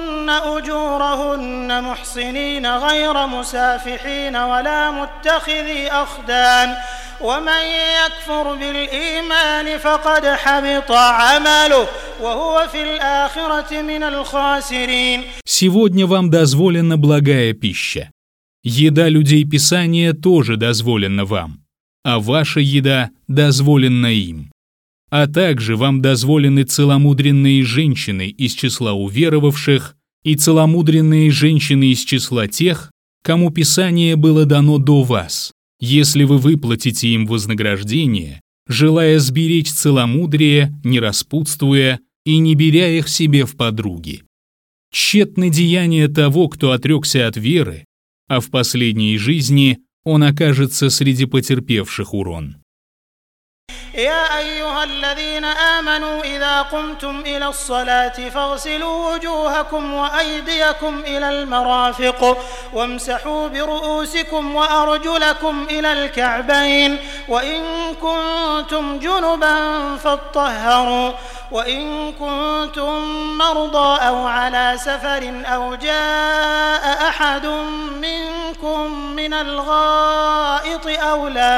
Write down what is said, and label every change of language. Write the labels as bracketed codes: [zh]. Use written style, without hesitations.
[ar] أجورهن محصنين غير مسافحين ولا متخذي أخدان ومن يكفر بالإيمان فقد حبط عمله وهو في الآخرة من الخاسرين. [ru] Сегодня вам дозволена благая пища. Еда людей Писания тоже дозволена вам, а ваша еда дозволена им. А также вам дозволены целомудренные женщины из числа уверовавших и целомудренные женщины из числа тех, кому Писание было дано до вас, если вы выплатите им вознаграждение, желая сберечь целомудрие, не распутствуя и не беря их себе в подруги. Тщетны деяния того, кто отрекся от веры, а в последней жизни он окажется среди потерпевших урон. [ar] يا أيها الذين آمنوا إذا قمتم إلى الصلاة فاغسلوا وجوهكم وأيديكم إلى المرافق وامسحوا برؤوسكم وأرجلكم إلى الكعبين وإن كنتم جنبا فاطهروا وإن كنتم مرضى أو على سفر أو جاء أحد منكم من الغائط أو